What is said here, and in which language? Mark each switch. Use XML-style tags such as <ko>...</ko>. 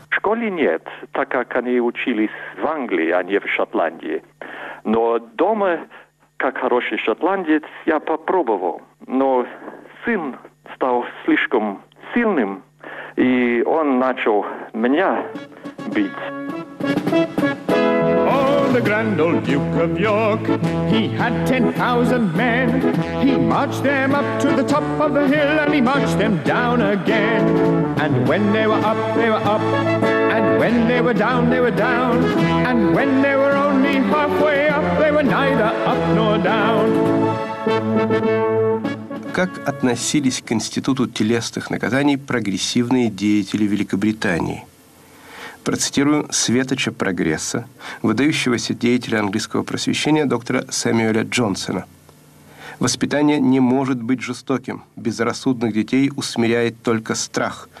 <ru>В школе нет, так как они учились в Англии, а не в Шотландии. Но дома, как хороший шотландец, я попробовал. Но сын стал слишком сильным, и он начал меня бить.</ru> <en>Oh, the grand old Duke of York, he had 10,000 men. He marched them up to the top of the hill, and he marched them down again. And when they were up, they were up. And when they were down, they were down. And when they were only halfway up, they were neither up nor down.</en> <ru>Как относились к институту телесных наказаний прогрессивные деятели Великобритании? Процитирую светоча прогресса, выдающегося деятеля английского просвещения доктора Сэмюэля Джонсона. «Воспитание не может быть жестоким. Безрассудных детей усмиряет только страх.</ru>